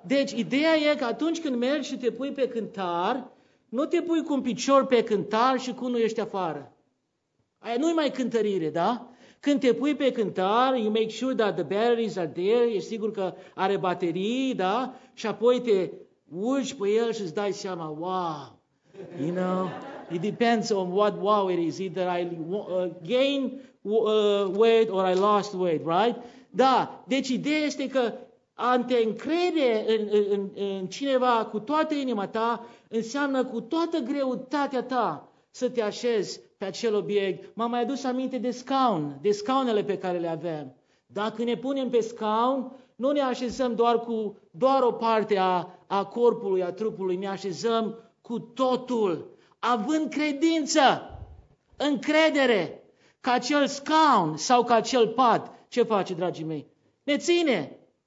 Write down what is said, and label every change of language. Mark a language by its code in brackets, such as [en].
[ro] Deci, ideea e că atunci când mergi și te pui pe cântar, nu te pui cu un picior pe cântar și cu unul ești afară. Aia nu-i mai cântărire, da? Când te pui pe cântar, [en] you make sure that the batteries are there, [ro] e sigur că are baterii, da? Și apoi te urci pe el și îți dai seama, wow, [en] you know? It depends on what wow it is, either I gain weight or I lost weight, right? [ro] Da, deci ideea este că a te încrede în cineva cu toată inima ta înseamnă cu toată greutatea ta să te așezi pe acel obiect. M-am mai adus aminte de scaun, de scaunele pe care le avem. Dacă ne punem pe scaun, nu ne așezăm doar cu doar o parte a corpului, a trupului, ne așezăm cu totul, având credință, încredere, că acel scaun sau că acel pat, ce face, dragii mei? Ne ține!